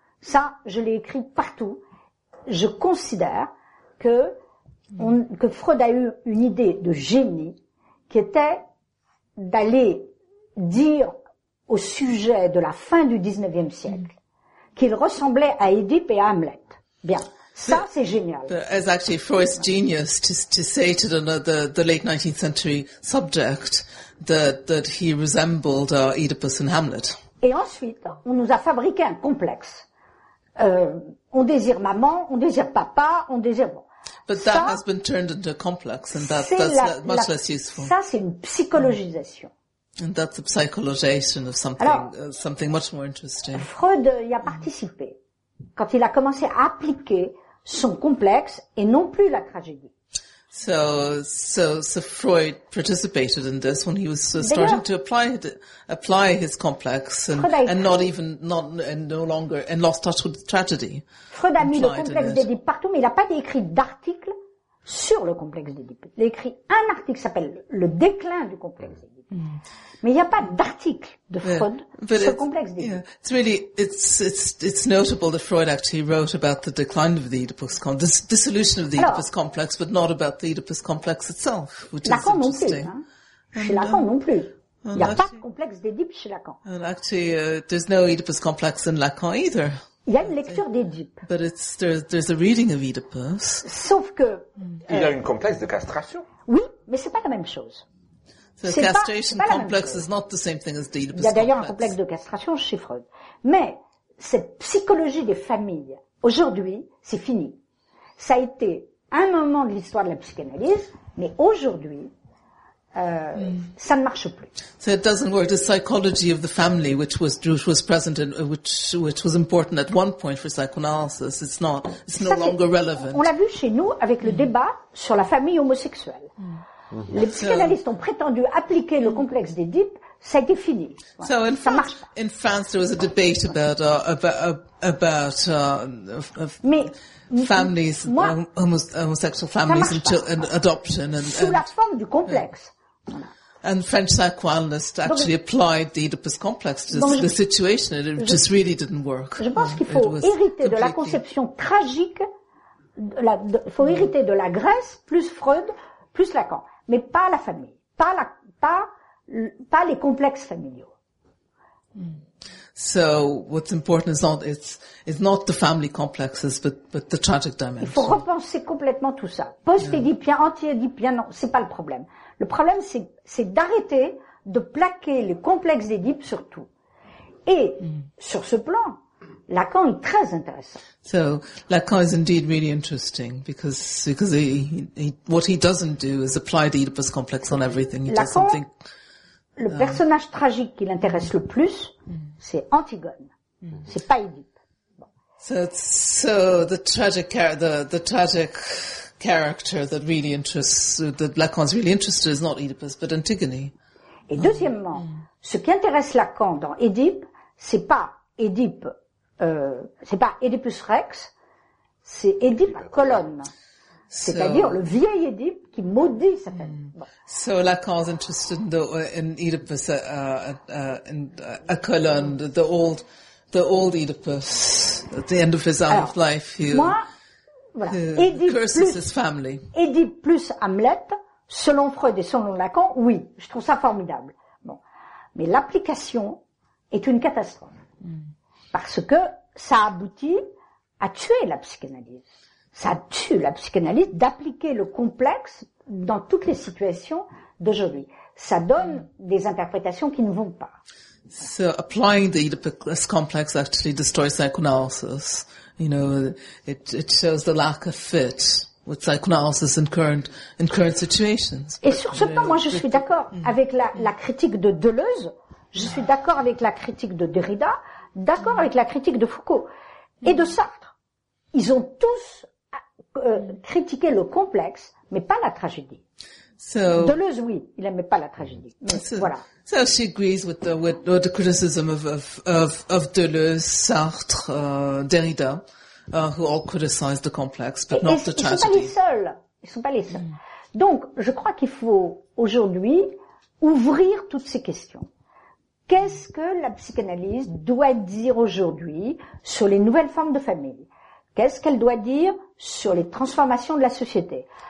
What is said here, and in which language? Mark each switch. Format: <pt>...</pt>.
<fr>Ça, je l'ai écrit partout. Je considère que Freud a eu une idée de génie qui était d'aller dire au sujet de la fin du 19e siècle qu'il ressemblait à Oedipe et à Hamlet. Bien, ça c'est génial.</fr> <en>It's actually Freud's genius to say to the late 19th century subject that he resembled Oedipus and Hamlet.</en> <fr>Et ensuite, on nous a fabriqué un complexe. On désire maman, on désire papa, on désire...</fr> <en>But that ça, has been turned into a complex and that, that's la, much la, less useful.</en> <fr>Ça, c'est une psychologisation.</fr> <en>And that's a psychologization of something, something much more interesting.</en> <fr>Freud y a participé quand il a commencé à appliquer son complexe et non plus la tragédie.</fr> <en>So Freud participated in this when he was starting to apply his complex and lost touch with the tragedy.</en> <fr>Freud a mis le complexe d'Oedipe partout, mais il n'a pas écrit d'article sur le complexe d'Oedipe. Il a écrit un article qui s'appelle Le déclin du complexe d'Oedipe. Mm. Mais il n'y a pas d'article de Freud sur le complexe d'Oedipe.</fr> <en>Yeah, it's notable that Freud actually wrote about the decline of the Oedipus complex, the dissolution of the Oedipus complex, but not about the Oedipus complex itself, which</en> <fr>Lacan</fr> <en>is interesting.</en> <fr>Non plus, hein. Chez Lacan non plus. Il n'y a pas de complexe d'Oedipe chez Lacan.</fr> <en>And actually, there's no Oedipus complex in Lacan either.</en> <fr>Il y a une lecture d'Oedipe.</fr> <en>But there's a reading of Oedipus.</en> <fr>Sauf que... Il y a un complexe de castration. Oui, mais ce n'est pas la même chose.</fr> <en>The castration complex is not the same thing as the Oedipus complex.</en> <fr>Il y a d'ailleurs un complexe de castration chez Freud. Mais cette psychologie des familles, aujourd'hui, c'est fini. Ça a été un moment de l'histoire de la psychanalyse, mais aujourd'hui, ça ne marche plus.</fr> <en>So it doesn't work. The psychology of the family, which was present and which was important at one point for psychoanalysis, it's no longer relevant.</en> <fr>On l'a vu chez nous avec le débat sur la famille homosexuelle. Les psychanalystes ont prétendu appliquer le complexe d'Oedipe, ça a été fini.</fr> <en>So in France, there was a debate about homosexual families and adoption</en> <fr>sous la forme du complexe.</fr> <en>And French psychoanalysts actually applied the Oedipus complex to the situation, and it just really didn't work.</en> <fr>Je pense qu'il faut hériter de la conception tragique, hériter de la Grèce plus Freud plus Lacan. Mais pas la famille, pas les complexes familiaux.</fr> <en>So what's important is not it's not the family complexes, but the tragic dimension.</en> <fr>Il faut repenser complètement tout ça. Post-édipien, anti-édipien, non, c'est pas le problème. Le problème c'est d'arrêter de plaquer les complexes d'Édipe sur tout. Et sur ce plan, Lacan est très intéressant.</fr> <en>So Lacan is indeed really interesting because what he doesn't do is apply the Oedipus complex on everything.</en> <fr>Le personnage tragique qui l'intéresse le plus, c'est Antigone. C'est pas Oedipe.</fr> <en>So the tragic character that really interests that Lacan is really interested is not Oedipus but Antigone.</en> <fr>Et deuxièmement, ce qui intéresse Lacan dans Oedipe, c'est pas Oedipe. C'est pas Oedipus Rex, c'est Oedipe Colonne. C'est-à-dire le vieil Oedipe qui maudit sa famille.</fr> <en>So Lacan's interested in Oedipus a Colonne, the old Oedipus at the end of his life</en> <fr>Oedipe</fr> <en>curses</en> <fr>plus,</fr> <en>his family.</en> <fr>Oedipe plus Hamlet, selon Freud et selon Lacan, oui, je trouve ça formidable. Bon. Mais l'application est une catastrophe. Parce que ça aboutit à tuer la psychanalyse. Ça tue la psychanalyse d'appliquer le complexe dans toutes les situations d'aujourd'hui. Ça donne des interprétations qui ne vont pas.</fr> <en>So applying the Oedipus complex actually destroys psychoanalysis. You know, it shows the lack of fit with psychoanalysis in current situations.</en> <fr>Et sur ce point, moi, je suis d'accord avec la critique de Deleuze. Je suis d'accord avec la critique de Derrida. D'accord avec la critique de Foucault et de Sartre. Ils ont tous critiqué le complexe, mais pas la tragédie.</fr> <en>So,</en> <fr>Deleuze, oui, il aimait pas la tragédie. Mais</fr> <en>so,</en> <fr>voilà.</fr> <en>So she agrees with the criticism of Deleuze, Sartre, Derrida, who all criticize the complex, but</en> <fr>et</fr> <en>not the tragedy.</en> <fr>Ils sont pas les seuls. Donc, je crois qu'il faut aujourd'hui ouvrir toutes ces questions. Qu'est-ce que la psychanalyse doit dire aujourd'hui sur les nouvelles formes de famille? Qu'est-ce qu'elle doit dire sur les transformations de la société?</fr>